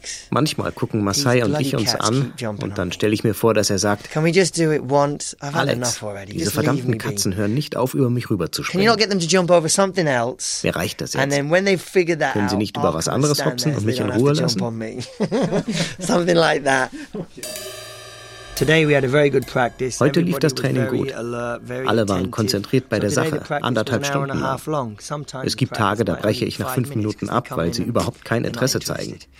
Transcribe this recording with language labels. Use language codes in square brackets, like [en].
[de] Manchmal gucken Masai und ich uns an und dann stelle ich mir vor, dass er sagt, Alex, diese verdammten Katzen hören nicht auf, über mich rüber zu springen. [en] Can you not get them to jump over something else? [de] Mir reicht das jetzt. [en] And then when they figure that [de] können sie nicht über was anderes hopsen und mich in Ruhe lassen? [en] Something like that. [de] Heute lief das Training gut. Alle waren konzentriert bei der Sache, anderthalb Stunden lang. Es gibt Tage, da breche ich nach 5 Minuten ab, weil sie überhaupt kein Interesse zeigen.